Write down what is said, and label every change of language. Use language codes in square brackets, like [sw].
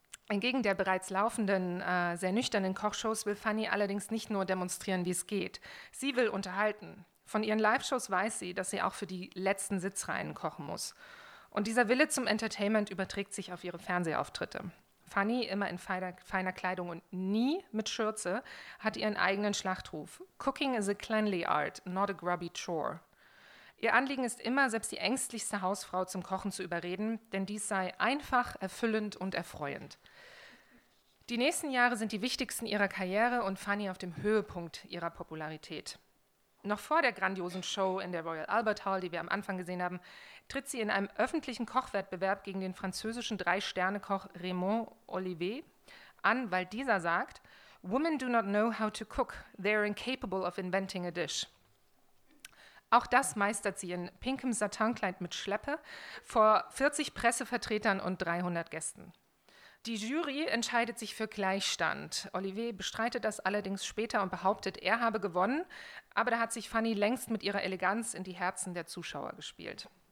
[de] Entgegen der bereits laufenden, sehr nüchternen Kochshows will Fanny allerdings nicht nur demonstrieren, wie es geht. Sie will unterhalten. Von ihren Live-Shows weiß sie, dass sie auch für die letzten Sitzreihen kochen muss. Und dieser Wille zum Entertainment überträgt sich auf ihre Fernsehauftritte. Fanny, immer in feiner Kleidung und nie mit Schürze, hat ihren eigenen Schlachtruf. [en] Cooking is a cleanly art, not a grubby chore. [de] Ihr Anliegen ist immer, selbst die ängstlichste Hausfrau zum Kochen zu überreden, denn dies sei einfach, erfüllend und erfreuend. Die nächsten Jahre sind die wichtigsten ihrer Karriere und Fanny auf dem Höhepunkt ihrer Popularität. Noch vor der grandiosen Show in der Royal Albert Hall, die wir am Anfang gesehen haben, tritt sie in einem öffentlichen Kochwettbewerb gegen den französischen Drei-Sterne-Koch Raymond Olivier an, weil dieser sagt, [en] "Women do not know how to cook. They are incapable of inventing a dish." [de] Auch das meistert sie in pinkem Satinkleid mit Schleppe vor 40 Pressevertretern und 300 Gästen. Die Jury entscheidet sich für Gleichstand. Olivier bestreitet das allerdings später und behauptet, er habe gewonnen, aber da hat sich Fanny längst mit ihrer Eleganz in die Herzen der Zuschauer gespielt.